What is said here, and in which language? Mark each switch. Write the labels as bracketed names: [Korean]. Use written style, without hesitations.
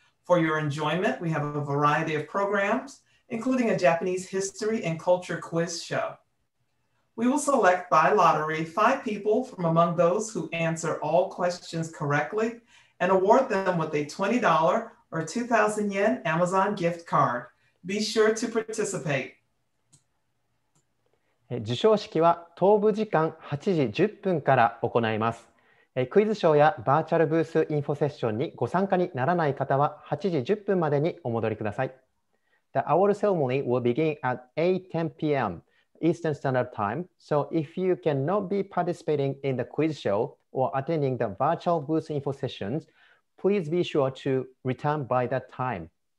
[English] For your enjoyment, we have a variety of programs, including a Japanese history and culture quiz show. We will select by lottery 5 people from among those who answer all questions correctly and award them with a $20 or 2,000 yen Amazon gift card. Be sure to participate. [Japanese] 受賞式は東部時間8時10分から行います。クイズショーやバーチャルブースインフォセッションにご参加にならない方は8時10分までにお戻りください。 [English] The award ceremony will begin at 8:10 p.m. Eastern Standard Time. So if you cannot be participating in the quiz show or attending the virtual booth info sessions, please be sure to return by that time.